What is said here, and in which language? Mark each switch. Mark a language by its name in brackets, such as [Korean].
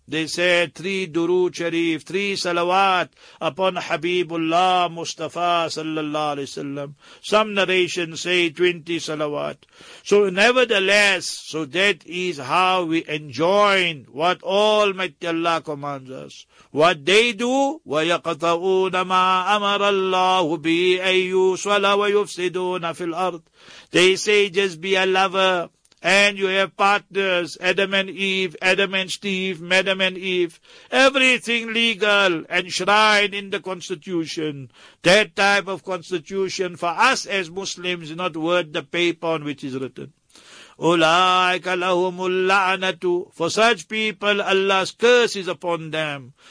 [English] They said, 3 durood sharif, 3 salawat upon Habibullah Mustafa sallallahu alayhi wasallam. Some narrations say 20 salawat. So nevertheless, so that is how we enjoin what Almighty Allah commands us. [Arabic] What they do, وَيَقْطَعُونَ مَا أَمَرَ اللَّهُ بِهِ أَيُّ صَلَى وَيُفْسِدُونَ فِي الْأَرْضِ [English] They say, just be a lover. And you have partners, Adam and Eve, Adam and Steve, Madam and Eve. Everything legal, enshrined in the constitution. That type of constitution for us as Muslims is not worth the paper on which is written. [Arabic] أُولَٰئِكَ لَهُمُ اللَّعْنَةُ [English] For such people, Allah's curse is upon them.